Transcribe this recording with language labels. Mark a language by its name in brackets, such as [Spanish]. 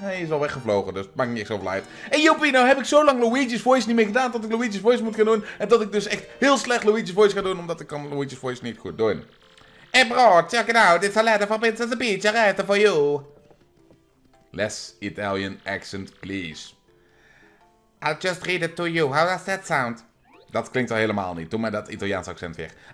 [Dutch] Hij is al weggevlogen, dus maakt niks over uit. Hey Joppie, nou heb ik zo lang Luigi's Voice niet meer gedaan dat ik Luigi's Voice moet gaan doen. En dat ik dus echt heel slecht Luigi's Voice ga doen, omdat ik kan Luigi's Voice niet goed doen. [English] Hey bro, check it out, it's a letter for Princess Peach, a letter for you. Less Italian accent, please. I'll just read it to you, how does that sound? [Dutch] Dat klinkt al helemaal niet, doe maar dat Italiaans accent weg.